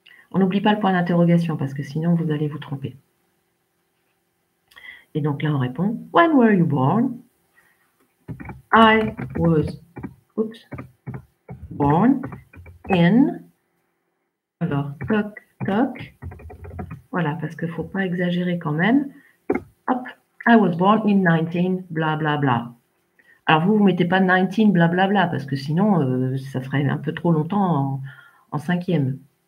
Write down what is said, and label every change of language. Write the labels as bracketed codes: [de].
[fr] On n'oublie pas le point d'interrogation, parce que sinon, vous allez vous tromper. Et donc, là, on répond « [en] When were you born ?» I was born in, [fr] alors toc, toc, voilà, parce qu'il ne faut pas exagérer quand même, hop, [en] I was born in 19, [fr] bla bla bla. Alors vous ne mettez pas 19, bla bla bla, parce que sinon ça ferait un peu trop longtemps en cinquième.